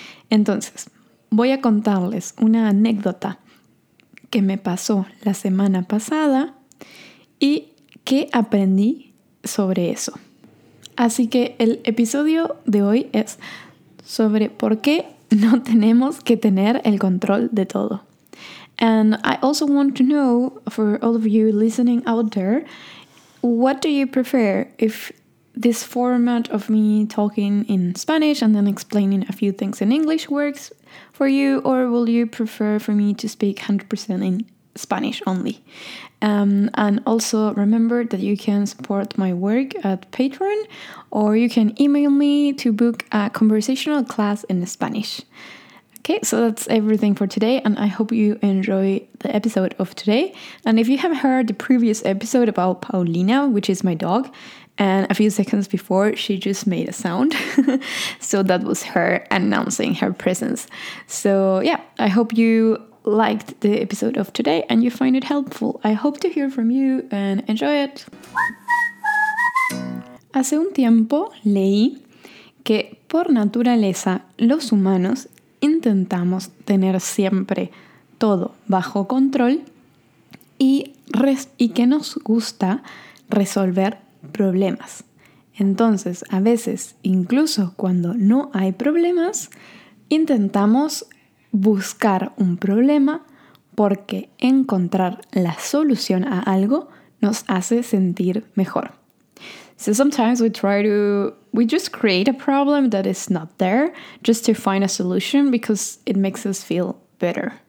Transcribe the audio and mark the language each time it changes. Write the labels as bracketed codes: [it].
[es] Entonces, voy a contarles una anécdota que me pasó la semana pasada y qué aprendí sobre eso. Así que el episodio de hoy es sobre por qué no tenemos que tener el control de todo. [en] And I also want to know, for all of you listening out there, what do you prefer? If this format of me talking in Spanish and then explaining a few things in English works for you, or will you prefer for me to speak 100% in Spanish only? And also remember that you can support my work at Patreon, or you can email me to book a conversational class in Spanish. Okay, so that's everything for today, and I hope you enjoy the episode of today. And if you have heard the previous episode about Paulina, which is my dog, and a few seconds before she just made a sound, so that was her announcing her presence. So yeah, I hope you liked the episode of today and you find it helpful. I hope to hear from you and enjoy it. [es] Hace un tiempo leí que por naturaleza los humanos intentamos tener siempre todo bajo control y que nos gusta resolver problemas. Entonces, a veces, incluso cuando no hay problemas, intentamos buscar un problema porque encontrar la solución a algo nos hace sentir mejor. [en] So sometimes we just create a problem that is not there just to find a solution because it makes us feel better.